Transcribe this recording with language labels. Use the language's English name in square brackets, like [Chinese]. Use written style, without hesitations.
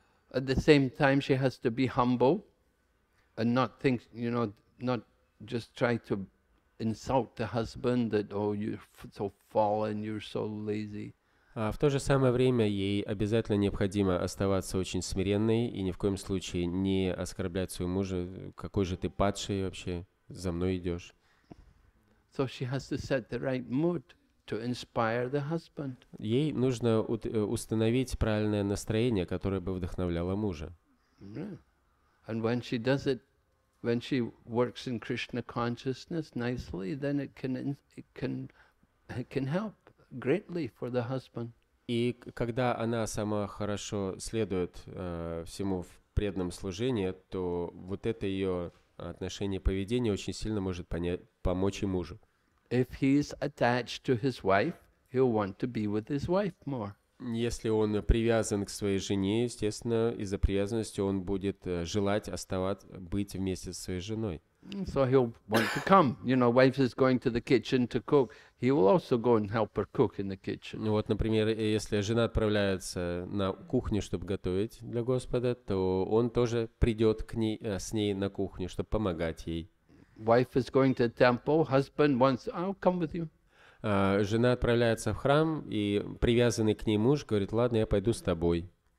[English] At the same time, she has to be humble and not think, you know, not just try to insult the husband that, oh, you're so fallen, you're so lazy. [Russian] В то же самое время ей обязательно необходимо оставаться очень смиренной и ни в коем случае не оскорблять своего мужа, какой же ты падший вообще, за мной идешь. [English] So she has to set the right mood to inspire the husband. [Russian] Ей нужно установить правильное настроение, которое бы вдохновляло мужа. [English] And when she does it, when she works in Krishna consciousness nicely, then it can help greatly for the husband. [Russian] И когда она сама хорошо следует всему в преданном служении, то вот это ее отношение и поведение очень сильно может помочь и мужу. [English] If he's attached to his wife, he'll want to be with his wife more. [Russian] Если он привязан к своей жене, естественно, из-за привязанности он будет желать оставаться, быть вместе со своей женой. [English] So he'll want to come. You know, wife is going to the kitchen to cook. He will also go and help her cook in the kitchen. [Russian] Ну вот, например, если жена отправляется на кухню, чтобы готовить для Господа, то он тоже придет к ней, с ней на кухню, чтобы помогать ей. [English] Wife is going to temple. Husband wants. I'll come with you. [Russian] Жена отправляется в храм, и привязанный к ней муж говорит: «Ладно, я пойду с тобой».